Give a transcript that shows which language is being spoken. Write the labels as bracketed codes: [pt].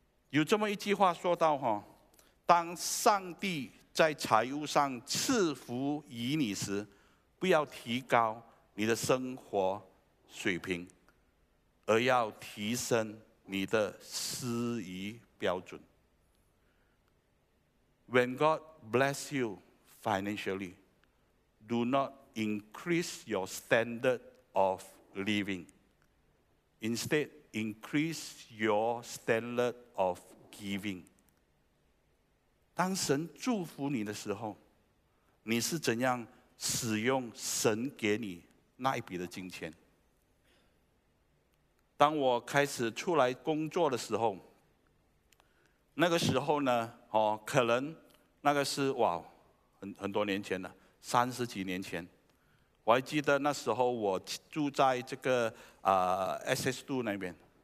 [zh] 有这么一句话说到、当上帝在财务上赐福于你时，不要提高你的生活水平，而要提升你的思维标准。 [en] When God bless you financially, do not increase your standard of living. Instead, increase your standard of giving. [zh] 当神祝福你的时候，你是怎样使用神给你那一笔的金钱？当我开始出来工作的时候，那个时候呢、可能那个是哇 很多年前了，30几年前，我还记得那时候我住在这个、SS2 那边、